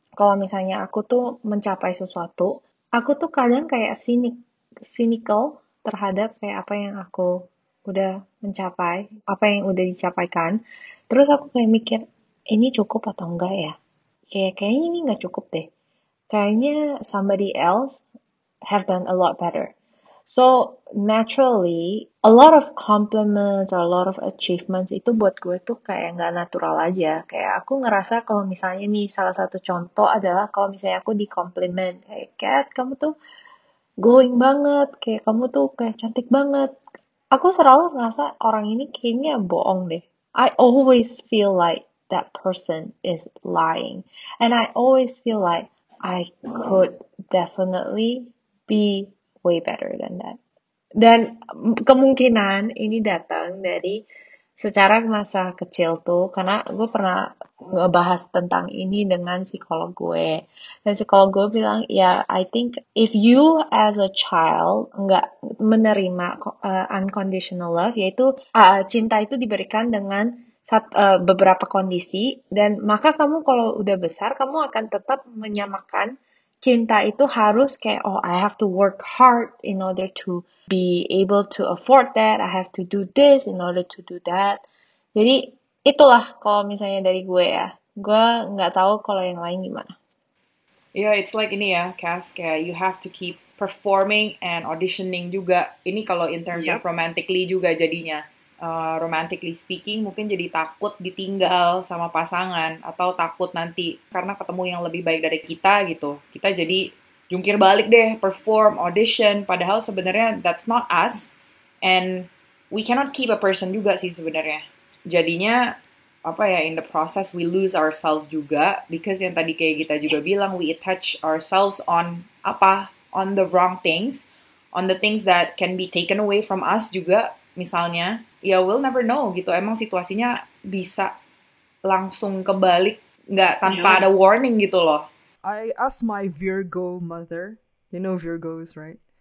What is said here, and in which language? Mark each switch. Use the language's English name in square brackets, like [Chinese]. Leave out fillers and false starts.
[Indonesian] Kalau misalnya aku tuh mencapai sesuatu, aku tuh kadang kayak cynical terhadap kayak apa yang aku udah mencapai, apa yang udah dicapaikan. Terus aku kayak mikir, ini cukup atau enggak ya? Kayaknya ini enggak cukup deh. [English] Kayaknya somebody else have done a lot better. So, naturally, a lot of compliments or a lot of achievements [Indonesian] itu buat gue tuh kayak enggak natural aja. Kayak aku ngerasa kalau misalnya nih, salah satu contoh adalah kalau misalnya aku dikompliment, kayak, Kat, kamu tuh glowing banget, kayak kamu tuh kayak cantik banget. Aku selalu ngerasa orang ini kayaknya bohong deh. [English] I always feel like that person is lying. And I always feel like I could definitely be way better than that. [Indonesian] Dan kemungkinan ini datang dari secara masa kecil tuh, karena gue pernah ngebahas tentang ini dengan psikolog gue. Dan psikolog gue bilang, ya, [English] I think if you as a child [Indonesian] nggak menerima [English] unconditional love, [Indonesian] yaitu cinta itu diberikan dengan beberapa kondisi, dan maka kamu kalau udah besar, kamu akan tetap menyamakan cinta itu harus kayak, [English] oh, I have to work hard in order to be able to afford that, I have to do this in order to do that. [Indonesian] Jadi, itulah kalau misalnya dari gue ya. Gue nggak tahu kalau yang lain gimana. [English] Yeah, it's like ini ya, Cass, kayak you have to keep performing and auditioning juga. [Indonesian] Ini kalau [English] in terms of romantically [Indonesian] juga jadinya. [English] Romantically speaking, [Indonesian] mungkin jadi takut ditinggal sama pasangan atau takut nanti karena ketemu yang lebih baik dari kita gitu. Kita jadi jungkir balik deh, perform, audition. Padahal sebenarnya [English] that's not us, and we cannot keep a person [Indonesian] juga sih sebenarnya. Jadinya apa ya, [English] in the process we lose ourselves juga, because [Indonesian] yang tadi kayak kita juga bilang, [English] we attach ourselves on apa, on the wrong things, on the things that can be taken away from us juga. [Indonesian] Misalnya, ya [English] we'll never know [Indonesian] gitu. Emang situasinya bisa langsung kebalik, nggak tanpa ada warning gitu loh. [English] I asked my Virgo mother, you know Virgos, right?